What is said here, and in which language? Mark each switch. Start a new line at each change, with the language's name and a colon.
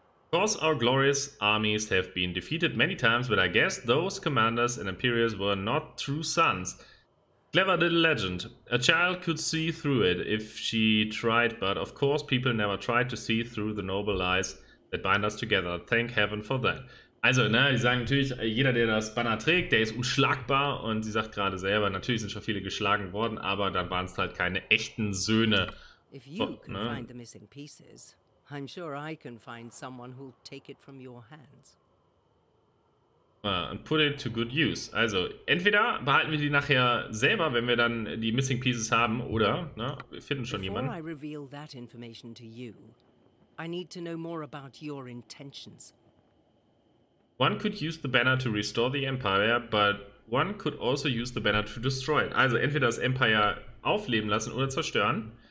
English: Of course, our glorious armies have been defeated many times, but I guess those commanders and imperials were not true sons. Clever little legend. A child could see through it if she tried, but of course people never tried to see through the noble lies that bind us together. Thank heaven for that.
German: Also, ne, die sagen natürlich, jeder, der das Banner trägt, der ist unschlagbar. Und sie sagt gerade selber, natürlich sind schon viele geschlagen worden, aber dann waren es halt keine echten Söhne.
English: If you can find the missing pieces, I'm sure I can find someone who'll take it from your hands. And put it to good use.
German: Also, entweder behalten wir die nachher selber, wenn wir dann die
English: Missing Pieces
German: haben, oder, ne, wir finden schon jemanden.
English: Before I reveal that information to you, I need to know more about your intentions. One could use the banner to restore the Empire, but one could also use the banner to destroy it.
German: Also, entweder das Empire aufleben lassen oder zerstören.